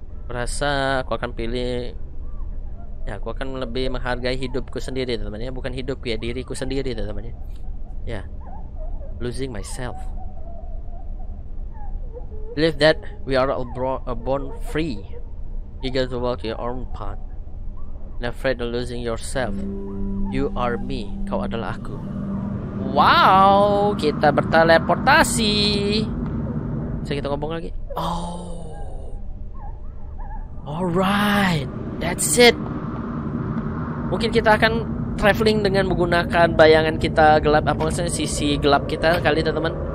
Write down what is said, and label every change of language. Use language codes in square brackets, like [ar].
[id] Rasa aku akan pilih, ya aku akan lebih menghargai hidupku sendiri teman-teman ya, bukan hidupku ya, diriku sendiri teman-teman ya. [en] Yeah. Losing myself. Believe that we are all born free, eager to walk your own path, and afraid of losing yourself. You are me, [id] kau adalah aku. Wow, kita berteleportasi. Bisa kita ngomong lagi? Oh. [en] Alright, that's it. [id] Mungkin kita akan traveling dengan menggunakan bayangan kita gelap, apa maksudnya sisi gelap kita kali, teman-teman.